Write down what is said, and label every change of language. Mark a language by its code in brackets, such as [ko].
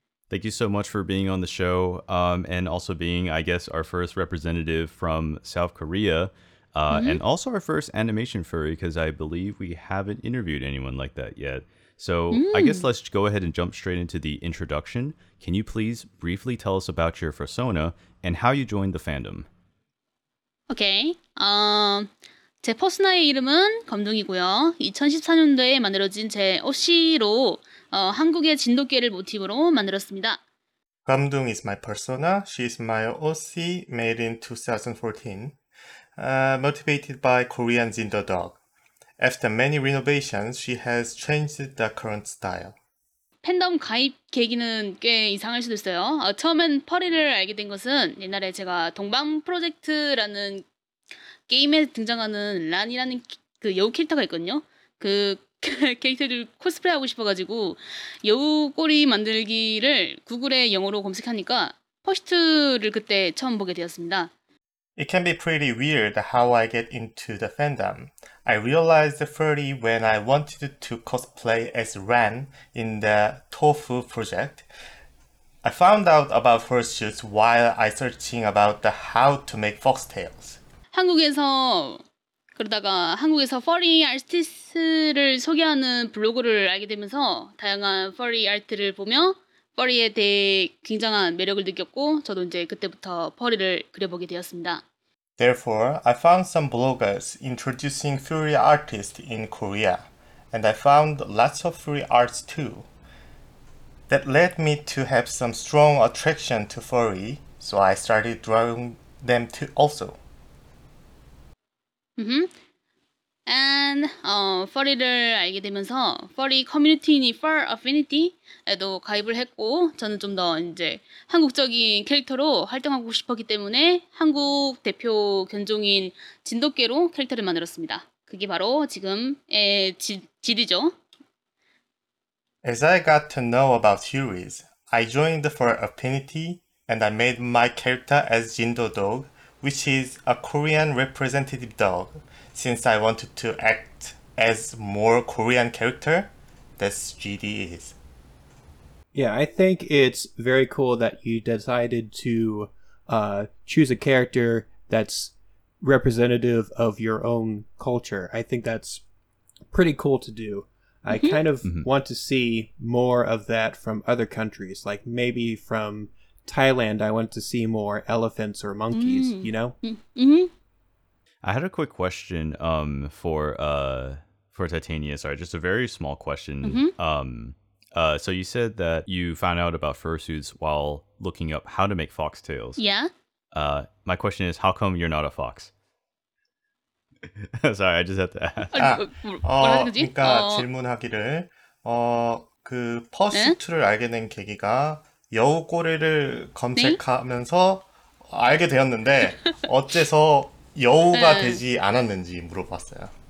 [en] Thank you so much for being on the show and also being, I guess, our first representative from South Korea and also our first animation furry, because I believe we haven't interviewed anyone like that yet. So I guess let's go ahead and jump straight into the introduction. Can you please briefly tell us about your persona and how you joined the fandom? Okay. [ko] 제 퍼스나의 이름은 검둥이고요. 2014년도에 만들어진 제 OC로 한국의 진돗개를 모티브로 만들었습니다. [en] Gamdung is my persona. She is my OC made in 2014. Motivated by Korean Jindo dog. After many renovations, she has changed the current style. [ko] 팬덤 가입 계기는 꽤 이상할 수도 있어요. 처음엔 퍼리를 알게 된 것은 옛날에 제가 동방 프로젝트라는 게임에 등장하는 란이라는 그 여우 캐릭터가 있거든요. 그 캐릭터를 코스프레하고 싶어가지고 여우 꼬리 만들기를 구글에 영어로 검색하니까 퍼스트를 그때 처음 보게 되었습니다. [en] It can be pretty weird how I get into the fandom. I realized the furry when I wanted to cosplay as Ran in the Tofu project. I found out about fursuits while I searching about the how to make foxtails. [ko] 한국에서 furry 아티스트를 소개하는 블로그를 알게 되면서 다양한 furry 아트를 보며 퍼리에 대해 굉장한 매력을 느꼈고 저도 이제 그때부터 퍼리를 그려보게 되었습니다. [en] Therefore, I found some bloggers introducing furry artists in Korea, and I found lots of furry arts too. That led me to have some strong attraction to furry, so I started drawing them too also. [ko] And 퍼리를 알게 되면서 퍼리 커뮤니티인 Fur Affinity에도 가입을 했고 저는 좀 더 이제 한국적인 캐릭터로 활동하고 싶었기 때문에 한국 대표 견종인 진돗개로 캐릭터를 만들었습니다. 그게 바로 지금의 지리죠. [en] As I got to know about Furries, I joined the Fur Affinity and I made my character as Jindo Dog, which is a Korean representative dog. Since I wanted to act as more Korean character, that's GD is. Yeah, I think it's very cool that you decided to choose a character that's representative of your own culture. I think that's pretty cool to do. I kind of want to see more of that from other countries, like maybe from Thailand. I want to see more elephants or monkeys, you know? I had a quick question for Titania. Sorry, just a very small question. So you said that you found out about fursuits while looking up how to make foxtails. Yeah. My question is, how come you're not a fox? Sorry, I just have to ask. [ko] 그러니까 질문하기를 그 퍼스트를 알게 된 계기가 여우 꼬리를 검색하면서 알게 되었는데 어째서 여우가 되지 않았는지 물어봤어요.